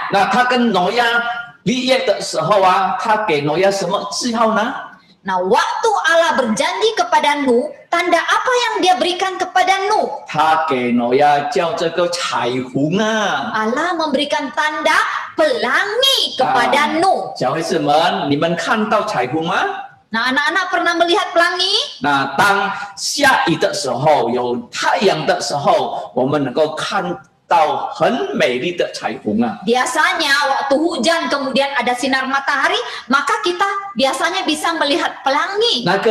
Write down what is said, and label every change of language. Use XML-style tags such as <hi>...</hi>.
<zh>Nah,</zh> <id>Dia dengan Noa</id> <zh>立约的时候啊，他给挪亚什么记号呢？</zh> <id>Nah, waktu Allah berjanji kepada Nuh, tanda apa yang Dia berikan kepada Nuh?</id> <zh>他给挪亚叫这个彩虹啊。</zh> <id>Allah memberikan tanda pelangi kepada Nuh.</id> <zh>小孩子们，你们看到彩虹吗？</zh> <id>Nah, anak-anak pernah melihat pelangi?</id> <zh>Nah, 当下雨的时候，有太阳的时候，我们能够看到很美丽的彩虹啊。</zh> <id>Biasanya waktu hujan kemudian ada sinar matahari, maka kita biasanya bisa melihat pelangi.</id>